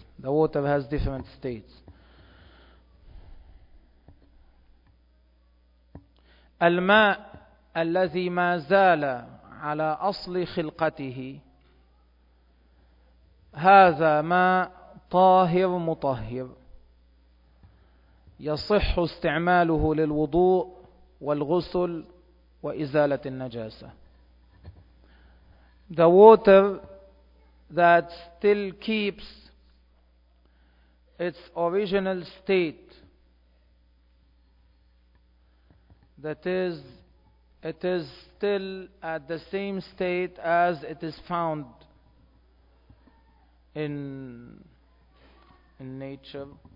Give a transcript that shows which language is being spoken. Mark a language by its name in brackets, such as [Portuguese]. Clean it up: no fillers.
[English] The water has different states. [Arabic] الماء الذي ما زال على أصل خلقته هذا ماء طاهر مطهر يصح استعماله للوضوء والغسل وإزالة النجاسة. [English] The water that still keeps its original state, that is, it is still at the same state as it is found in nature.